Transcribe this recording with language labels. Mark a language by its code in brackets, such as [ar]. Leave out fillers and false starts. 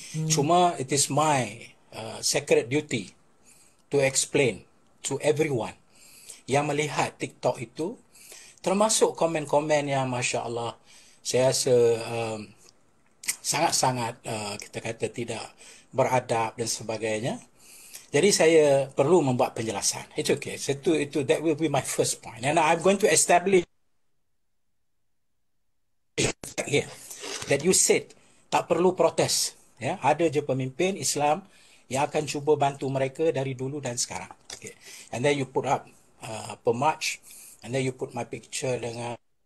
[ms] Cuma [en] it is my sacred duty to explain to everyone [ms] yang melihat TikTok itu, termasuk komen-komen yang Masya Allah, saya rasa sangat-sangat kita kata tidak beradab dan sebagainya. Jadi saya perlu membuat penjelasan. [en] It's okay. So itu that will be my first point. And I'm going to establish here that you said [ms] tak perlu protes. Ya, ada je pemimpin Islam yang akan cuba bantu mereka dari dulu dan sekarang. [en] Okay. And then you put up pemarch, and then you put my picture dengan.